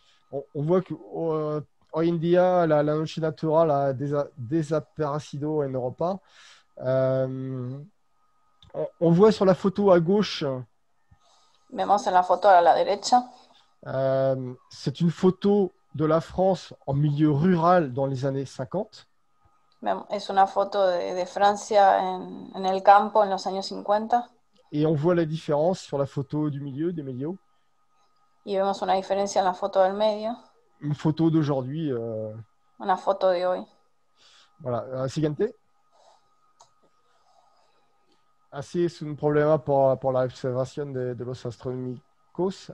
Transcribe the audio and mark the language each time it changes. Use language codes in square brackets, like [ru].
[fr] On voit que [es] hoy en día la noche natural ha desaparecido en Europa. [fr] On voit sur la photo à gauche. [es] Vemos en la foto a la derecha. [fr] C'est une photo de la France en milieu rural dans les années 50. [es] Es una foto de Francia en el campo en los años 50. [fr] Et on voit la différence sur la photo du milieu, des médias. [es] Y vemos una diferencia en la foto del medio. [fr] Une photo d'aujourd'hui. [es] Una foto de hoy. Voilà. Siguiente. Así es un problema por la observación de los astronómicos.